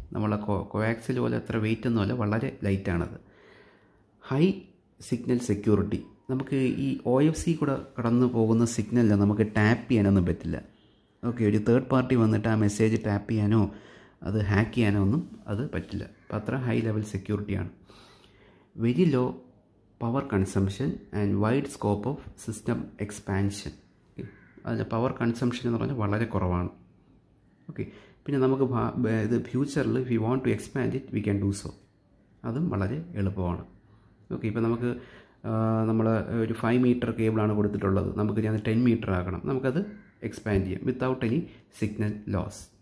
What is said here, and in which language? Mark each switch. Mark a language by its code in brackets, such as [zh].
[ml] നമ്മളെ കോവാക്സിൽ പോലെ അത്ര വെയ്റ്റ് ഒന്നുമല്ല, വളരെ ലൈറ്റാണത്. High signal security. നമുക്ക് ഈ OFC കൂടെ കടന്നു പോകുന്ന സിഗ്നലിൽ നമുക്ക് ടാപ്പ് ചെയ്യാനൊന്നും പറ്റില്ല. ഓക്കെ, ഒരു തേർഡ് പാർട്ടി വന്നിട്ട് ആ മെസ്സേജ് ടാപ്പ് ചെയ്യാനോ അത് ഹാക്ക് ചെയ്യാനോ ഒന്നും അത് പറ്റില്ല. അപ്പോൾ അത്ര high level സെക്യൂരിറ്റിയാണ്. [en] very low power consumption and wide scope of system expansion. [ml] അതിൻ്റെ പവർ കൺസംഷൻ എന്ന് പറഞ്ഞാൽ വളരെ കുറവാണ്. ഓക്കെ, പിന്നെ നമുക്ക് ഇത് ഫ്യൂച്ചറിൽ [en] we want to expand it we can do so, [ml] അതും വളരെ എളുപ്പമാണ്. ഓക്കെ, ഇപ്പോൾ നമുക്ക് നമ്മൾ ഒരു 5 മീറ്റർ കേബിളാണ് കൊടുത്തിട്ടുള്ളത്, നമുക്ക് ഞാൻ 10 മീറ്റർ ആക്കണം, നമുക്കത് എക്സ്പാൻഡ് ചെയ്യാം [en] Without any signal loss.